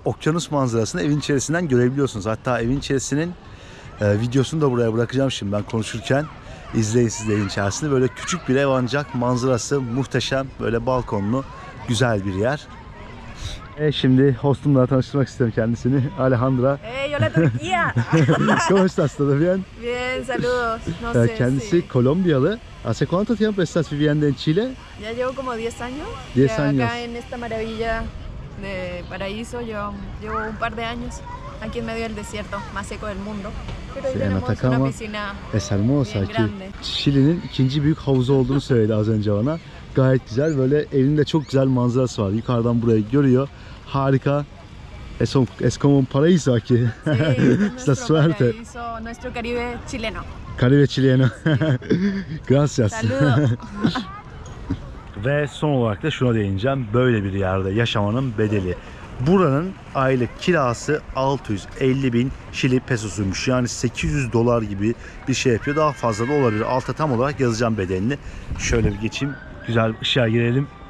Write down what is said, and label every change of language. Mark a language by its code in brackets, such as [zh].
[tr] Okyanus manzarasını evin içerisinden görebiliyorsunuz. Hatta evin içerisinin videosunu da buraya bırakacağım şimdi ben konuşurken. İzleyin siz de evin içerisinde. Böyle küçük bir ev ancak manzarası muhteşem. Böyle balkonlu güzel bir yer. Şimdi hostumla tanıştırmak istiyorum kendisini. [es] Alejandra. Yo la Turquía. ¿Cómo estás? ¿Todo bien? Bien, saludos. No sé, [tr] kendisi [es] sí. Kolombiyalı. ¿Hace cuánto tiempo estás viviendo en Chile? Ya llevo como 10 años. 10 años. Acá en esta maravilla de paraíso. Yo llevo un par de años aquí en medio del desierto, más seco del mundo. Pero tenemos Atacama, una piscina es hermosa aquí. [tr] Chile'nin ikinci büyük havuzu olduğunu söyledi az önce bana. Gayet güzel. Böyle evinde çok güzel manzarası var. Yukarıdan burayı görüyor. Harika. [es] Es como un paraíso aquí. Sí, nuestro paraíso, nuestro Caribe chileno. Caribe chileno. Gracias. Saludo. [tr] Ve son olarak da şuna değineceğim. Böyle bir yerde yaşamanın bedeli. Buranın aylık kirası 650 bin Şili pesosuymuş. Yani 800 dolar gibi bir şey yapıyor. Daha fazla da olabilir. Alta tam olarak yazacağım bedelini. Şöyle bir geçeyim. Güzel ışığa girelim.